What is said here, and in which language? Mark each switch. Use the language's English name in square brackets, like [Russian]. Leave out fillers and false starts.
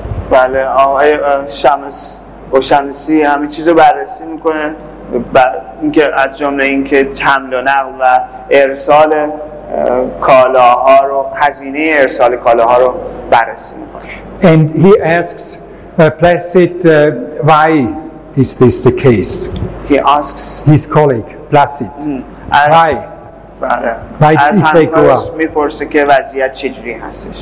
[Persian] بله آقای شمس O'Shaughnessy همین چیزو بررسی میکنه، اینکه از جمله اینکه حمل و نقل و ارسال کالاها رو، هزینه ارسال کالاها رو بررسی میکنه. [English] And he asks Placid why is this the case? He asks his colleague Placid why. [Persian] بله. از همکارش میپرسه که وضعیت چجوری هستش.